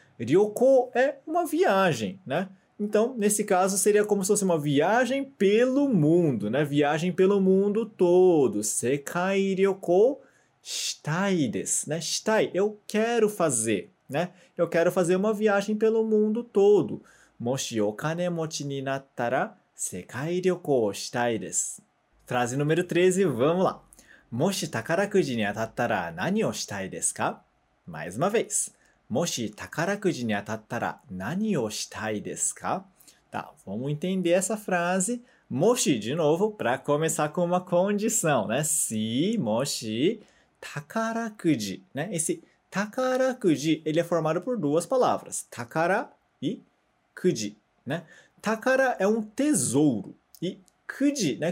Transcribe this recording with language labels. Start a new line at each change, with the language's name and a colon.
Portuguese: Ryoko é uma viagem, né? Então, nesse caso, seria como se fosse uma viagem pelo mundo, né? Viagem pelo mundo todo.
Japanese: Sekai ryoko したいです、
Portuguese: né? したい。Eu quero fazer, né? Eu quero fazer uma viagem pelo mundo todo.
Japanese: もしお金持ちになったら、世界旅行をしたいです。
Portuguese: Frase número 13, vamos lá.
Japanese: もし宝くじに当たったら何をしたいですか?
Portuguese: Mais uma vez.
Japanese: もし宝くじに当たったら何をしたいですか?
Portuguese: Tá, vamos entender essa frase. もし, de novo, para começar com uma condição, né? Se, もし, 宝くじ, né? Esse 宝くじ, ele é formado por duas palavras. 宝 e くじ, né? 宝 é um tesouro e Kuji, né?